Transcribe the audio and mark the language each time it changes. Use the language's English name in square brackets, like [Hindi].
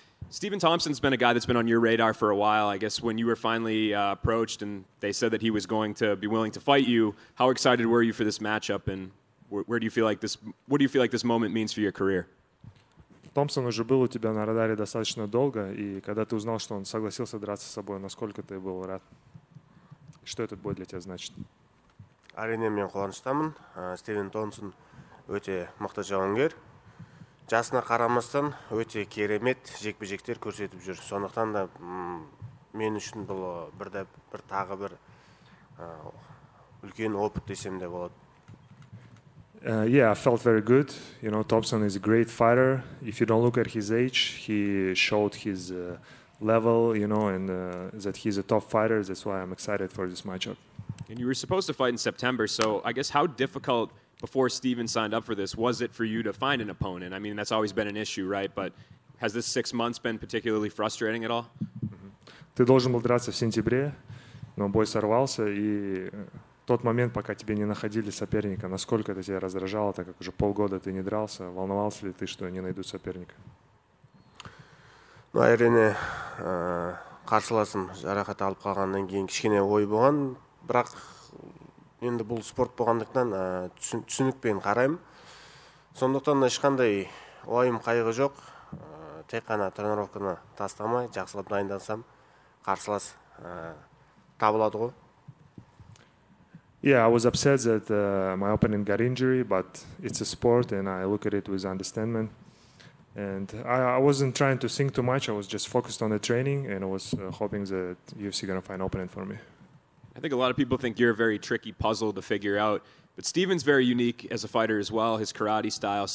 [English] Steven Thompson's been a guy that's been on your radar for a while. I guess when you were finally approached and they said that he was going to be willing to fight you, how excited were you for this matchup? And where do you feel like this? What do you feel like this moment means for your career? [Russian] Thompson уже был у тебя на радаре достаточно долго, и когда ты узнал, что он согласился драться с собой, насколько ты был рад? Что этот бой для тебя значит? [Kazakh] Арене мен қуаныштамын. Стивен Томпсон өте мықты жауынгер. Жасына қарамастан өте керемет жекпе-жектер көрсетіп жүр. Сондықтан да мен үшін бұл бір үлкен опыт десем де болады. [English] Yeah, I felt very good. You know, Thompson is a great fighter. If you don't look at his age, he showed his level, you know, and that he's a tough fighter. That's why I'm excited for this matchup. And you were supposed to fight in September, so I guess how difficult before Steven signed up for this was it for you to find an opponent? I mean, that's always been an issue, right? But has this 6 months been particularly frustrating at all? [Russian] Ты должен был драться в сентябре, но бой сорвался, и тот момент, пока тебе не находили соперника, насколько это тебя раздражало, так как уже полгода ты не дрался, волновался ли ты, что не найдут соперника? [Kazakh] Ну, әрине, қарсыласым жарақат алып қалғаннан кейін кішкене ой болған, бірақ енді бұл спорт болғандықтан түсінікпен қараймын. Сондықтан да ешқандай ойым қайғы жоқ, тек қана тренировканы тастамай, жақсылап дайындансам, қарсылас табылады ғой. [English] Yeah, I was upset that my opponent got injury, but it's a sport and I look at it with understanding. And I wasn't trying to think too much, I was just focused on the training and I was hoping that UFC is going to find an opponent for me. I think a lot of people think you're a very tricky puzzle to figure out, but Steven's very unique as a fighter as well, his karate style.